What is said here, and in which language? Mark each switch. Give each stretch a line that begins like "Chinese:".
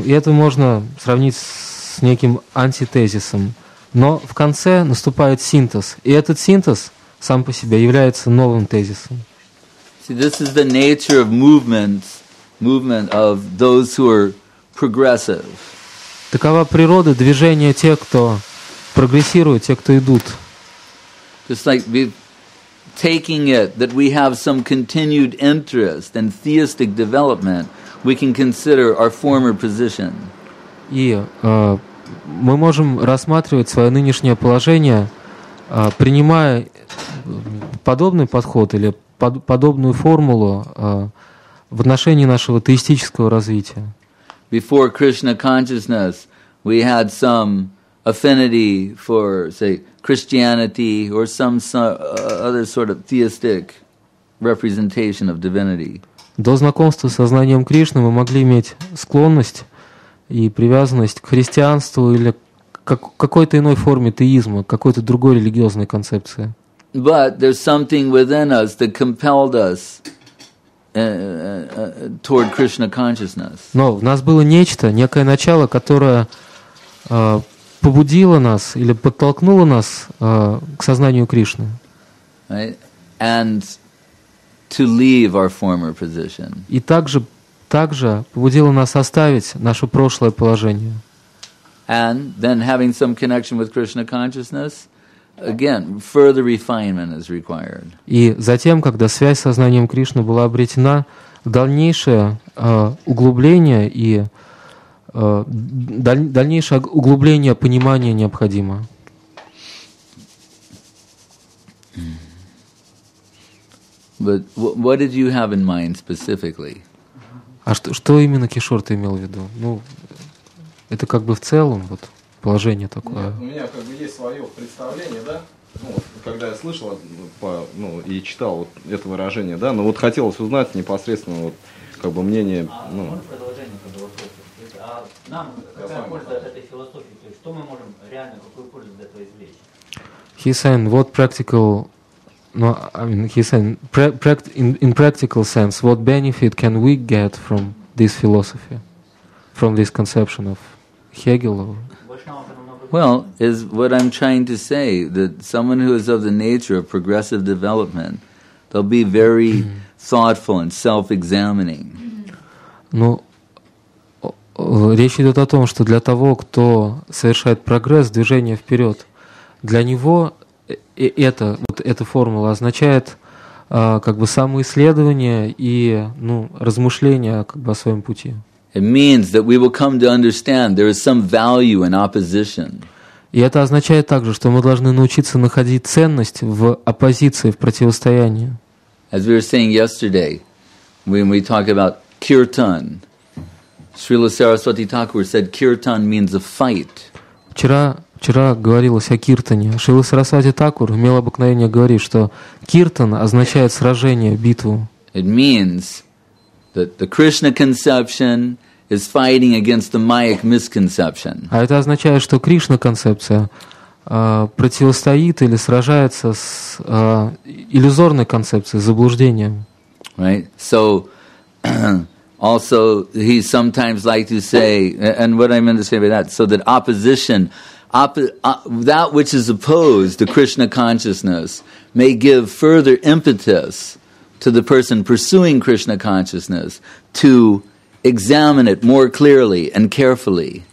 Russian: И это можно сравнить с неким антитезисом. Но в конце наступает синтез. И этот синтез сам по себе является новым тезисом.
English: See, this is the nature of movement of those who are progressive.
Russian: Такова природа движения тех, кто прогрессирует, тех, кто идут.
English: Just like we taking it that we have some continued interest in theistic development, we can consider our former position.
Russian: И мы можем рассматривать свое нынешнее положение, принимая подобный подход или подобную формулу в отношении нашего теистического развития.
English: Before Krishna consciousness, we had some affinity for, say, Christianity or some other sort of theistic representation of divinity.
Russian: До знакомства с сознанием Кришны мы могли иметь склонность и привязанность к христианству или к какой-то иной форме теизма, какой-то другой религиозной концепции.
English: But there's something within us that compelled us toward Krishna consciousness.
Russian: Но в нас было нечто, некое начало, которое побудило нас или подтолкнуло нас к сознанию Кришны.
English: Right? And to leave our former position.
Russian: И также побудило нас оставить наше прошлое положение.
English: And then having some connection with Krishna consciousness, again, further refinement is required.
Russian: И затем, когда связь с сознанием Кришны была обретена, дальнейшее углубление понимания необходимо.
English: But what did you have in mind specifically?
Russian: А что именно Кишор ты имел в виду? Ну, это как бы в целом вот. Положение такое. Нет, у меня как бы есть свое представление, да? Ну, когда я слышал и читал вот это выражение, да, но вот хотелось узнать непосредственно вот как бы мнение. Ну, можно продолжение как бы вопроса? А нам какая польза от этой философии? То есть что мы можем реально, какую пользу для этого извлечь?
English: He's saying, what practical, no, I mean, he's saying, in practical sense, what benefit can we get from this philosophy, from this conception of Hegel? Well, is what I'm trying to say, that someone who is of the nature of progressive development, they'll be very thoughtful and self-examining.
Russian: Ну, речь идет о том, что для того, кто совершает прогресс, движение вперед, для него эта формула означает как бы самоисследование и ну, размышление как бы, о своем пути.
English: It means that we will come to understand there is some value in opposition.
Russian: И это означает также, что мы должны научиться находить ценность в оппозиции, в противостоянии.
English: As we were saying yesterday, when we talk about kirtan, Srila Saraswati Thakur said kirtan means a fight.
Russian: Вчера говорилось о киртане. Шрила Сарасвати Такур имел обыкновение говорить, что киртан означает сражение, битву.
English: It means that the Krishna conception is fighting against the mayic misconception.
Russian: А это означает, что Кришна концепция противостоит или сражается с иллюзорной концепцией, заблуждением.
English: Right. So also he sometimes like to say, and what I mean to say by that, so that opposition that which is opposed to Krishna consciousness may give further impetus to the person pursuing Krishna consciousness to examine it more clearly and carefully.